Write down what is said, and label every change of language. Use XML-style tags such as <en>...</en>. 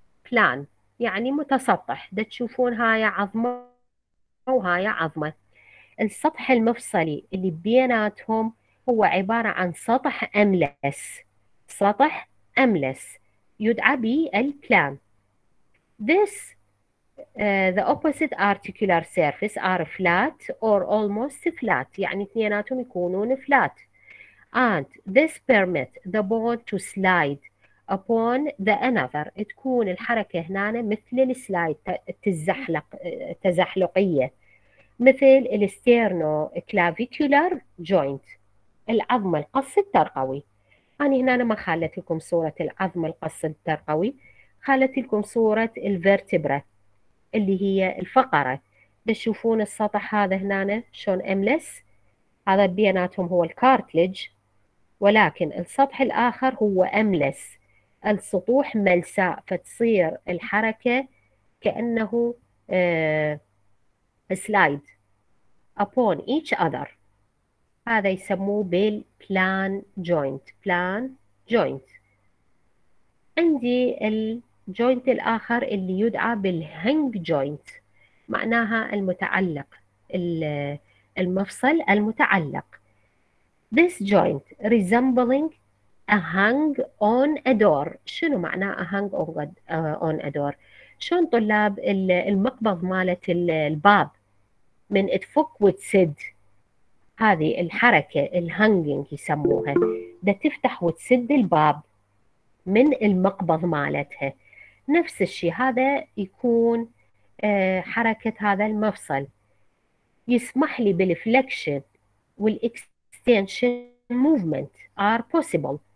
<ar>بلان يعني متسطح، ده تشوفون هاي عظمة وهاي عظمة. السطح المفصلي اللي بيناتهم هو عبارة عن سطح أملس، سطح أملس يدعى بالبلان.</ar> <en>This the opposite articular surface are flat or almost flat،</en> <ar>يعني اثنيناتهم يكونون</ar> <en>flat. And this permit the bone to slide upon the another،</en> <ar>تكون الحركة هنا مثل السلايد، تزحلق تزحلقية، مثل الاسترنو كلافيكولار جوينت، العظم القص الترقوي. أنا هنا ما خلت لكم صورة العظم القص الترقوي، خلت لكم صورة الفيرتبرا اللي هي الفقرة. تشوفون السطح هذا هنا شون أملس، هذا بيناتهم هو الكارتليج، ولكن السطح الآخر هو أملس، السطوح ملساء، فتصير الحركة كأنه سلايد</ar> <en>upon each other.</en> <ar>هذا يسموه بال plan joint. plan joint عندي الجوينت الآخر اللي يدعى بالهنج جوينت، معناها المتعلق، المفصل المتعلق.</ar> <en>This joint resembling a hang on a door.</en> <ar>شنو معناه</ar> <en>a hang on a door؟</en> <ar>شلون طلاب المقبض مالت الباب من تفك وتسد، هذه الحركة الهانجينج يسموها، ده تفتح وتسد الباب من المقبض مالتها. نفس الشيء هذا يكون حركة هذا المفصل يسمح لي بالفلكشن والاكستنشن موفمنت ار بوسيبل.</ar>